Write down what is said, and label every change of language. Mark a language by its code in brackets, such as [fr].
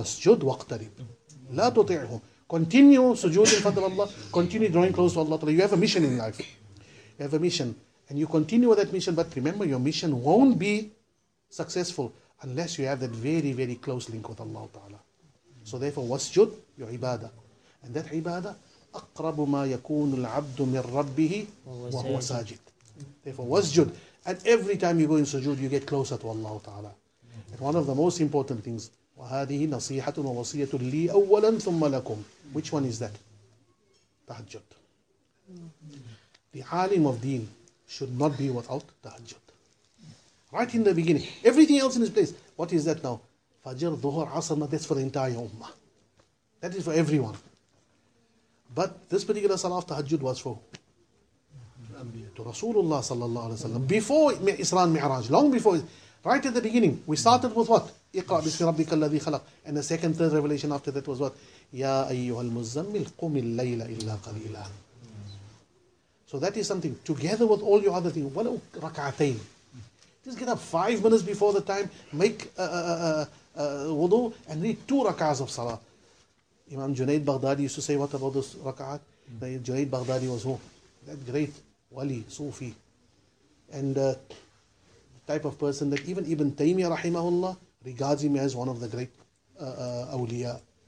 [ar] Wasjud waqtarib. La tuti'hu. [en] Continue sujood in front of Allah. Continue drawing close to Allah. You have a mission in life. You have a mission. And you continue with that mission. But remember, your mission won't be successful unless you have that very, very close link with Allah Ta'ala. So therefore, wasjud, your ibadah. And that ibadah, [ar] أَقْرَبُ مَا يَكُونُ الْعَبْدُ مِنْ رَبِّهِ وَهُوَ سَاجِدْ. [en] Therefore, wasjud. And every time you go in sujood, you get closer to Allah Ta'ala. And one of the most important things, [ar] وهذه نصيحة ووصية لي أولا ثم لكم. [en] Which one is that? Tahajjud. The alim of deen should not be without tahajjud. Right in the beginning. Everything else in his place. What is that now? Fajr, Dhuhr, Asr, that's for the entire ummah. That is for everyone. But this particular salah of tahajjud was for? To Rasulullah sallallahu alayhi wa sallam. Before Isra and Mi'raj. Long before. Right at the beginning. We started with what? [ar] اقرأ بسم ربك الذي خلق. [en] And the second, third revelation after that was what? [ar] يا أيها المزمل قم الليل إلا قليلا. [en] So that is something. Together with all your other things. [ar] ولو ركعتين. [en] Just get up 5 minutes before the time. Make wudu and read 2 rak'ahs of salah. Imam Junaid Baghdadi used to say, what about this rak'ahat? Junaid Baghdadi was who? That great wali, Sufi. And type of person that even Ibn Taymiyyah rahimahullah regards him as one of the great awliya.